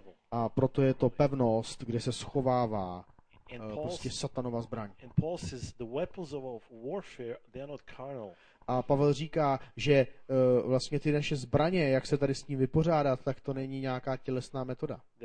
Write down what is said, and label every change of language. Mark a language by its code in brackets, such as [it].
[cs] A proto je to pevnost, kde se schovává prostě Satanova zbraň. [en] And Paul says the weapons of warfare, they are not carnal. [cs] A Pavel říká, že vlastně ty naše zbraně, jak se tady s ním vypořádat, tak to není nějaká tělesná metoda.